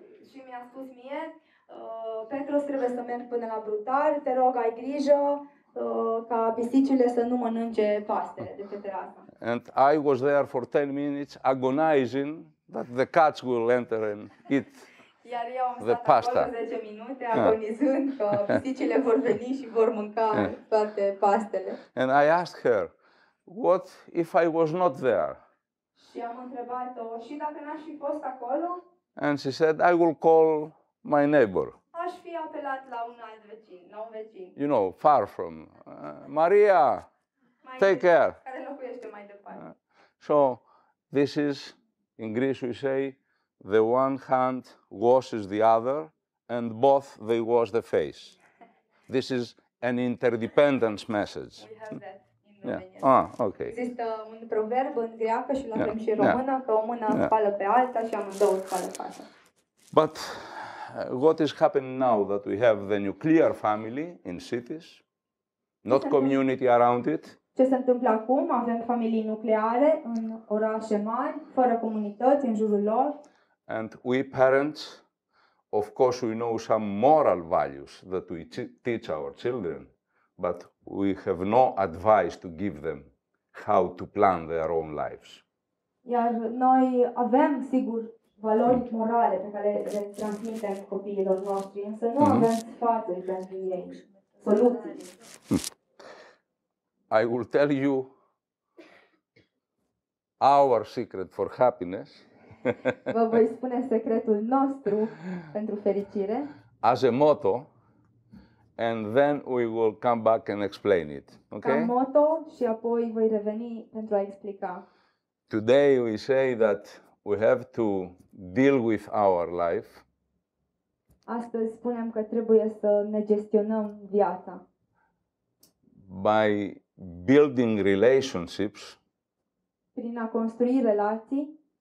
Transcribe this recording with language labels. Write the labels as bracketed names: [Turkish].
[Romanian] Și mi-a spus mie, Petros, trebuie să merg până la brutar, te rog, ai grijă ca pisicile să nu mănânce paste de pe terasă. [English] And I was there for 10 minutes agonizing that the cats will enter and eat [Romanian] iar eu am [English] the pasta. [Romanian] 10 minute agonizând că pisicile vor veni și vor mânca toate pastele. [English] And I asked her, what if I was not there? [Romanian] Și am întrebat-o, și dacă n-aș fi fost acolo? [English] And she said, I will call my neighbor. [Romanian] Aș fi apelat la un alt vecin, la un vecin. [English] You know, far from. Maria, [Romanian] mai [English] take care. Care so, this is, in Greece we say, the one hand washes the other, and both they wash the face. This is an interdependence message. We have that in Romanian. Ah, okay. [Romanian] Există un proverb în greacă și l-avem și în română, că o mână spală pe alta și amândouă spală pe alta. [English] But what is happening now that we have the nuclear family in cities, not community around it? [Romanian] Ce se întâmplă acum? Avem familii nucleare în orașe mari, fără comunități în jurul lor. [English] And we parents, of course, we know some moral values that we teach our children, but we have no advice to give them how to plan their own lives. [Romanian] Iar noi avem, sigur, valori morale pe care le transmitem copiilor noștri, însă nu avem sfaturi pentru ei, soluții. [English] I will tell you our secret for happiness. [Romanian] Vă voi spune secretul nostru pentru fericire. [English] As a motto, and then we will come back and explain it. Okay? [Romanian] Ca motto și apoi voi reveni pentru a explica. [English] Today we say that we have to deal with our life. [Romanian] Astăzi spunem că trebuie să ne gestionăm viața. [English] By building relationships, [Romanian] prin a construi relații,